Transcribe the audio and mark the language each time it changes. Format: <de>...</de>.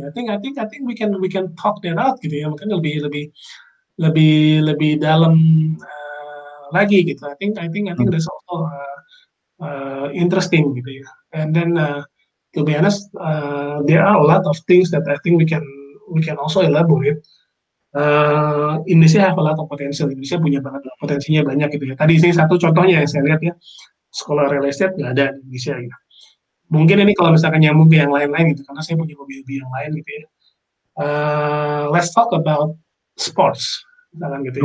<en>I think we can talk that out gitu ya.</en> <id>Mungkin lebih dalam lagi gitu.</id> <en>I think there's also interesting gitu ya. And then to be honest, there are a lot of things that I think we can we can also elaborate. Indonesia have a lot of potential.</en> <id>Indonesia punya banget potensinya banyak gitu ya. Tadi ini satu contohnya yang saya lihat ya, sekolah real estate nggak ada di Indonesia. Gitu. Mungkin ini kalau misalkan nyambung ke yang lain-lain gitu, karena saya punya hobi-hobi yang lain gitu ya.</id> <en>Let's talk about sports,</en> <id>misalkan gitu ya.</id>